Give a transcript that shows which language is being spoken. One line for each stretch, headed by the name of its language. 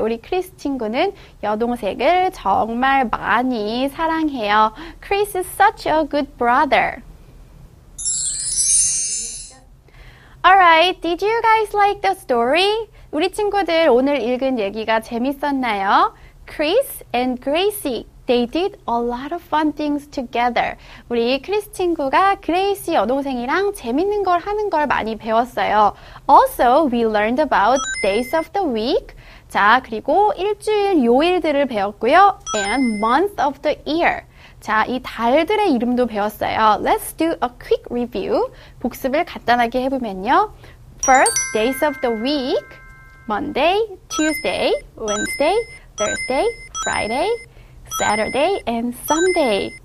Korean: 우리 Chris 친구는 여동생을 정말 많이 사랑해요.
English: Chris is such a good brother. Alright, did you guys like the story?
Korean: 우리 친구들 오늘 읽은 얘기가 재밌었나요?
English: Chris and Gracie, they did a lot of fun things together.
Korean: 우리 Chris 친구가 Gracie 여동생이랑 재밌는 걸 하는 걸 많이 배웠어요.
English: Also, we learned about days of the week.
Korean: 자, 그리고 일주일 요일들을 배웠고요.
English: And month of the year.
Korean: 자, 이 달들의 이름도 배웠어요.
English: Let's do a quick review.
Korean: 복습을 간단하게 해보면요.
English: First, days of the week. Monday, Tuesday, Wednesday, Thursday, Friday, Saturday, and Sunday.